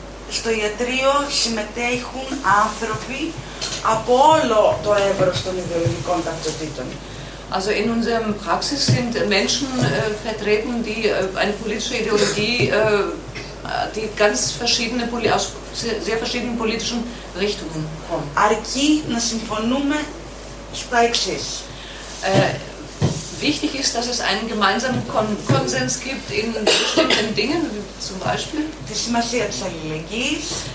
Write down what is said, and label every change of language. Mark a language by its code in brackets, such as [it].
[el] Στο ιατρείο συμμετέχουν άνθρωποι από όλο το εύρος των ιδεολογικών ταυτοτήτων. [de] Also in unserem Praxis sind Menschen vertreten, die eine politische Ideologie, die ganz verschiedene aus sehr verschiedenen politischen Richtungen kommen. [el] Αρκεί να συμφωνούμε στα εξής. [de] Wichtig ist, dass es einen gemeinsamen Konsens gibt in bestimmten Dingen, wie zum Beispiel [el] die Σημασία της Αλληλεγγύης,